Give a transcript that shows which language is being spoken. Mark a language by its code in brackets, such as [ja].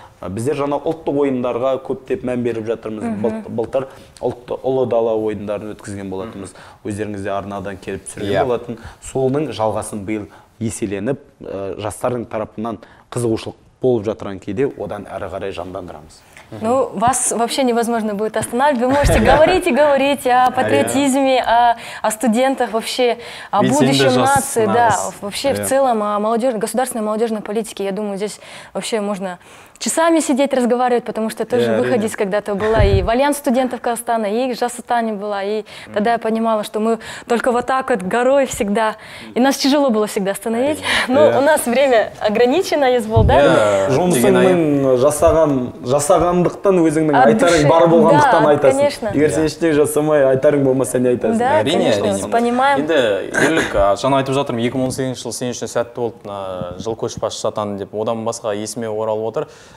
[kk] Біздер жаңа ұлттық ойындарға көптеп мән беріп жатырмыз. Былтыр ұлы дала ойындарын өткізген болатынбыз. Өздеріңізде арнадан келіп түсірген болатын. Солының жалғасын биыл еселеніп, жастардың тарапынан қызығушылық болып жатырған кейде одан әрі қарай жандандырамыз. [ru] Ну, вас вообще невозможно будет остановить. Вы можете говорить и говорить о патриотизме, о студентах, вообще о будущем нации, да, вообще в целом о молодежной, государственной молодежной политике. Я думаю, здесь вообще можно часами сидеть, разговаривать, потому что я тоже выходец когда-то была и в Альянс студентов Казахстана, и в Жас-Сатане была. И тогда я понимала, что мы только вот так вот горой всегда. И нас тяжело было всегда остановить. Но у нас время ограничено, Есбол, да? [kk] Жасағандықтан өзіңнің айтарың бар болғандықтан айтасың. Егер сен ештеңе жасамай айтарың болмаса, не айтасың? [ru] Да, конечно. [kk] Енді Ерлік, жаңа айтып жатырмын, 2018 жыл сен үшін сәтті болды, жыл көшбасшы атаны деп, одан басқа есіме оралып отыр.